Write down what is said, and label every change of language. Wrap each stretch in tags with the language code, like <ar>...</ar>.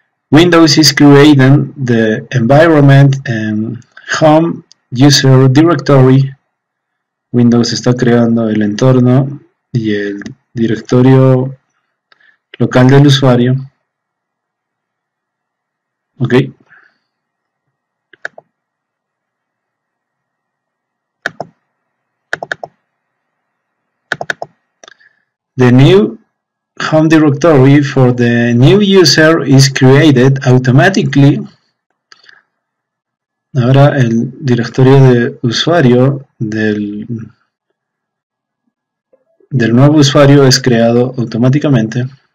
<en>Windows is creating the environment and home user directory.</en> <es>Windows está creando el entorno y el directorio local del usuario. Ok.</es> <en>The new home directory for the new user is created automatically.</en> <es>Ahora el directorio de usuario del nuevo usuario es creado automáticamente.</es>